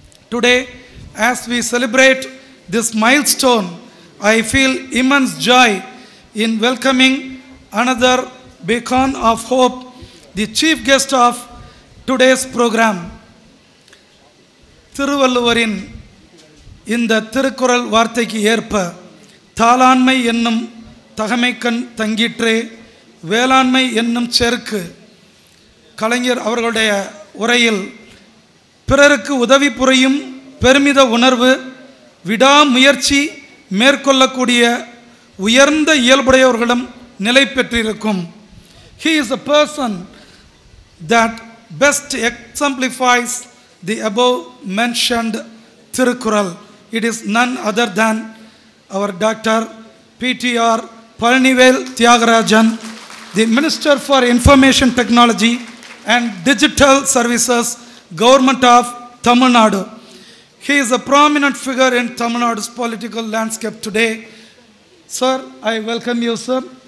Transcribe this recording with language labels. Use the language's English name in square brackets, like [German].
[English] Today, as we celebrate this milestone, I feel immense joy in welcoming another beacon of hope, the chief guest of today's program. [Tamil] Thiruvalluvarin inda thirukural vaarthaiki yerpa thaalanmai ennum தகமைக்கண் தங்கிற்றே வேளாண்மை என்னும் செருக்கு. கலைஞர் அவர்களுடைய உரையில் பிறருக்கு உதவி புரியும் பெருமித உணர்வு, விடாமுயற்சி மேற்கொள்ளக்கூடிய உயர்ந்த இயல்புடையவர்களும் நிலை பெற்றிருக்கும். [English] He is a person that best exemplifies the above mentioned Thirukkural. It is none other than our doctor PTR Palanivel Thyagarajan, the Minister for Information Technology and Digital Services, Government of Tamil Nadu. He is a prominent figure in Tamil Nadu's political landscape today. Sir, I welcome you, sir.